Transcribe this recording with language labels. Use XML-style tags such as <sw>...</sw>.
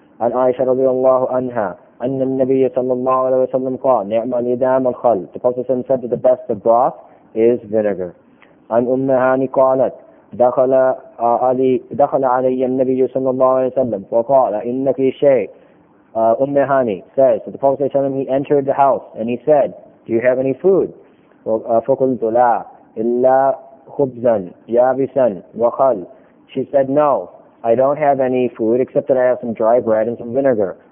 <ar>عن عائشة رضي الله عنها أن النبي صلى الله عليه وسلم قال نعم الإدام الخل.</ar> <en>The Prophet ﷺ said that the best of broth is vinegar.</en> <ar>عن أم هاني قالت دخل علي النبي صلى الله عليه وسلم وقال إنك شيء.</ar> <en>Ummihani says that the Prophet ﷺ, he entered the house and he said, do you have any food?</en> <ar>فَقُلْتُ لَا إِلَّا خُبْزًا يَابِسًا وَخَلْ.</ar> <en>She said, no, I don't have any food except that I have some dry bread and some vinegar.</en>